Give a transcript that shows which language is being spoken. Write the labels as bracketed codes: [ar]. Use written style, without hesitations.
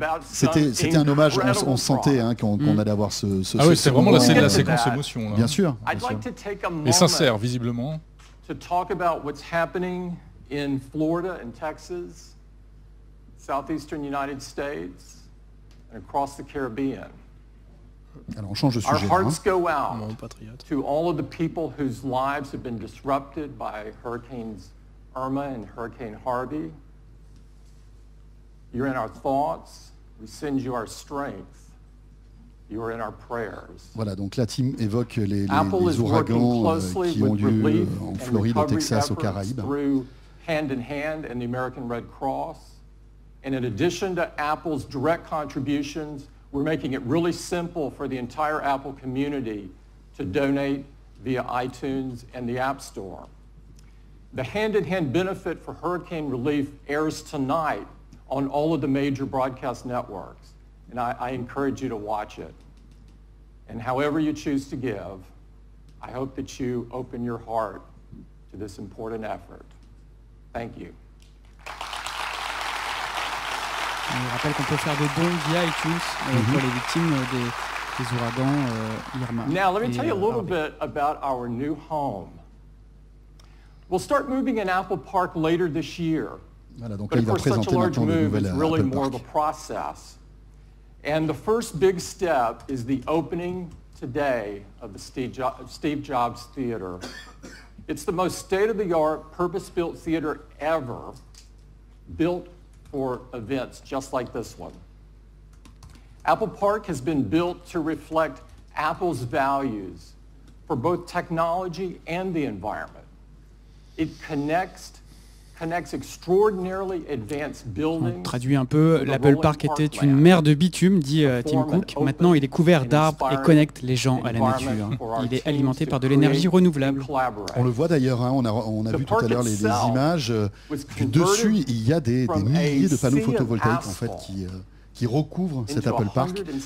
[fr] C'était un hommage, on sentait hein, qu'on allait avoir ce Ah oui, c'est vraiment la séquence émotion. Bien sûr. Et sincère, visiblement. [en] To talk about what's happening in Florida and Texas, southeastern United States, and across the Caribbean. [fr] Alors, on change de sujet, [en] Our hearts go out to all of the people whose lives have been disrupted by Hurricanes Irma and Hurricane Harvey. You're in our thoughts. We send you our strength. You are in our prayers. [fr] Voilà, donc la team évoque les ouragans qui ont lieu en Floride, au Texas, aux Caraïbes. [en] Through Hand in Hand and the American Red Cross. And in addition to Apple's direct contributions, we're making it really simple for the entire Apple community to donate via iTunes and the App Store. The Hand in Hand benefit for hurricane relief airs tonight on all of the major broadcast networks. And I encourage you to watch it. And however you choose to give, I hope that you open your heart to this important effort. Thank you. [fr] On rappelle qu'on peut faire des dons via iTunes pour les victimes des ouragans Irma. [en] Now, let me tell you a little bit about our new home. We'll start moving in Apple Park later this year. [fr] Voilà, donc il va présenter notre nouvelle Apple Park. [en] Really more of a process. And the first big step is the opening today of the Steve Jobs Theater. It's the most state-of-the-art, purpose-built theater ever, built for events just like this one. Apple Park has been built to reflect Apple's values for both technology and the environment. It connects extraordinarily advanced buildings. [fr] On traduit un peu, l'Apple Park était une mer de bitume, dit Tim Cook. Maintenant, il est couvert d'arbres et connecte les gens à la nature. Il est alimenté par de l'énergie renouvelable. On le voit d'ailleurs, hein, on a vu tout à l'heure les images. Du dessus, il y a des milliers de panneaux photovoltaïques en fait, qui recouvrent cet Apple Park.